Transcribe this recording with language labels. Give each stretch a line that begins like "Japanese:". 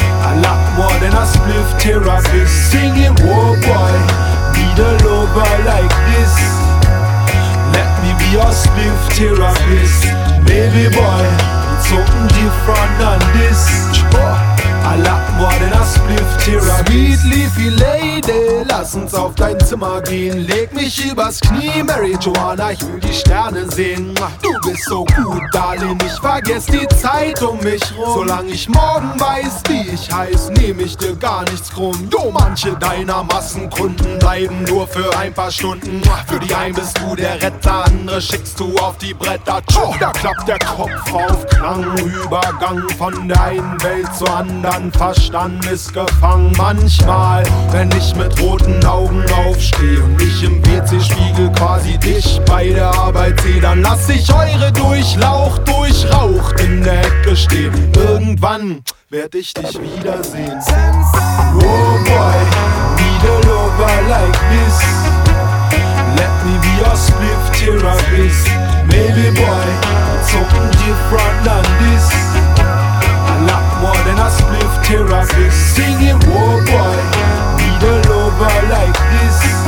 English: A lot more than a spliff therapist. Sing it, oh boy, need a lover like this. Let me be your spliff therapist. Maybe boy, it's something different than this. A lot more than a spliff therapist. Sweet leafy lady,
German: lass uns auf dein Zimmer gehen. Leg mich übers Knie, Mary Joanna, ich will die Sterne sehen. Du bist so gut, Darling, ich vergess die Zeit um mich rum. Solange ich morgen weiß, wie ich heiß, nehm ich dir gar nichts krumm. Jo, manche deiner Massenkunden bleiben nur für ein paar Stunden. Für die einen bist du der Retter, andere schickst du auf die Bretter. Tschuch, da klappt der Kopf auf Klang, Übergang von der einen Welt zur anderen. Dann Verstand ist gefangen. Manchmal, wenn ich mit roten Augen aufstehe und mich im WC-Spiegel quasi dich bei der Arbeit sehe, dann lass ich eure Durchlauch durchraucht in der Ecke stehen. Irgendwann werd ich dich wiedersehen.
English: Oh boy, need a lover like this. Let me be your spliff therapist. Maybe boy, something different than this. More than a spliff therapist. Singing, oh boy, need a lover like this.